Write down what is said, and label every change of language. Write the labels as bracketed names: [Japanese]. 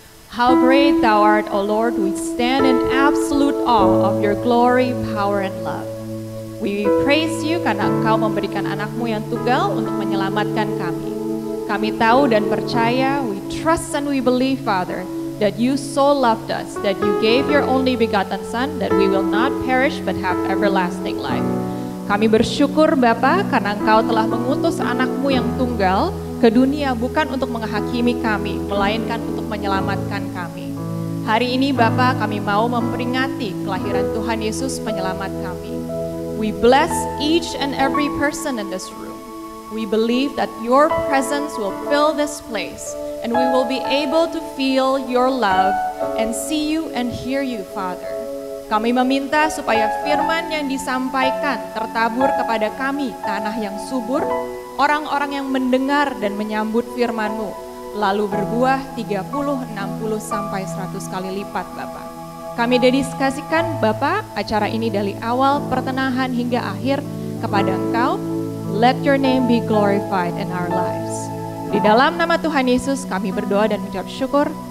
[English] How great thou art, O Lord, we stand in absolute awe of your glory, power, and love. We praise you [Indonesian] karena engkau memberikan anakmu yang tunggal untuk menyelamatkan kami. Kami tahu dan percaya, [English] we trust and we believe, Father, that you so loved us, that you gave your only begotten Son, that we will not perish but have everlasting life. [Indonesian] Kami bersyukur, Bapa, karena engkau telah mengutus anakmu yang tunggal ke dunia bukan untuk menghakimi kami, melainkan untuk menyelamatkan kami. Hari ini, Bapa, kami mau memperingati kelahiran Tuhan Yesus penyelamat kami. [English] We bless each and every person in this room. We believe that your presence will fill this place, and we will be able to feel your love and see you and hear you, Father. [Indonesian] Kami meminta supaya firman yang disampaikan tertabur kepada kami, tanah yang subur, orang-orang yang mendengar dan menyambut firman-Mu, lalu berbuah 30, 60, sampai 100 kali lipat, Bapa. Kami dedikasikan, Bapa, acara ini dari awal, pertengahan hingga akhir kepada Engkau. [English] Let your name be glorified in our lives. [Indonesian] Di dalam nama Tuhan Yesus, kami berdoa dan mengucap syukur.